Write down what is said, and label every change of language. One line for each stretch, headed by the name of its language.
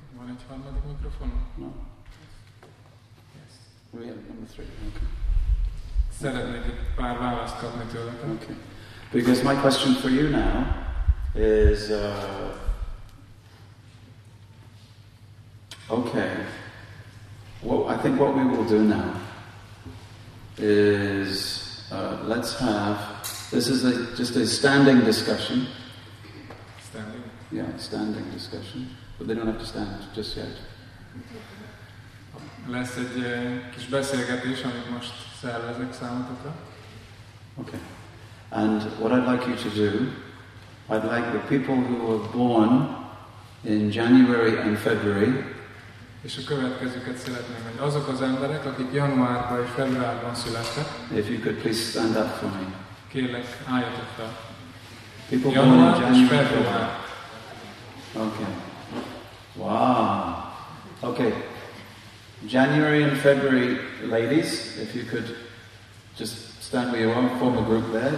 Hungarian: Van egy harmadik mikrofon?
English: No. Yes. We have number three. Okay.
Hungarian: Szeretnék egy pár választ kapni tőletek.
English: Okay. Because my question for you now is, okay, well, I think what we will do now is, let's have, this is just a standing discussion. Standing? Yeah, standing discussion, but they don't have to stand just yet.
Hungarian: Lesz egy kis beszélgetés, amit most szervezek számotokra.
English: Okay. And what I'd like you to do, I'd like the people who were born in January and February.
Hungarian: És a következőket szeretném, hogy azok az emberek, akik januárban és februárban születtek.
English: If you could please stand up for me.
Hungarian: Kérlek, álljatok fel.
English: People
Hungarian: január
English: born in January
Hungarian: és február.
English: Okay. Wow. Okay. January and February, ladies, if you could just stand where you are, form a group there.